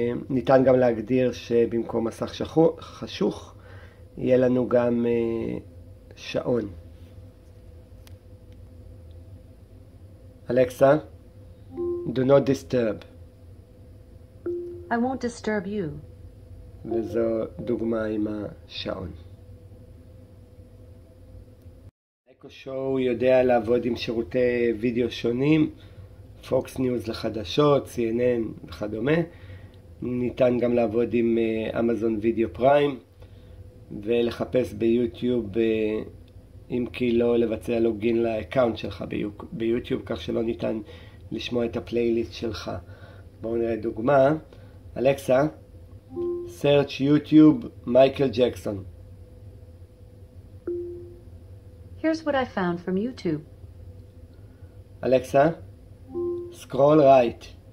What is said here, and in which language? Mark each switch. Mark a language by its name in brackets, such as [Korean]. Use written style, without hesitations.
[Hebrew] ניתן גם להגדיר שבמקום מסך חשוך יהיה לנו גם שעון. [English] אלכסה, do not disturb. I won't disturb you. [Hebrew] וזו דוגמה עם השעון. אקו שואו יודע לעבוד עם שירותי וידאו שונים, פוקס ניוז לחדשות, CNN וכדומה. ניתן גם לעבוד עם אמזון וידאו פריים ולחפש ביוטיוב, אם כי לא לבצע לוגין לאקאונט שלך ביוטיוב, כך שלא ניתן לשמוע את הפלייליסט שלך. בואו נראה דוגמה. [English] אלכסה, search YouTube Michael Jackson. Here's what I found from YouTube. אלכסה, scroll right.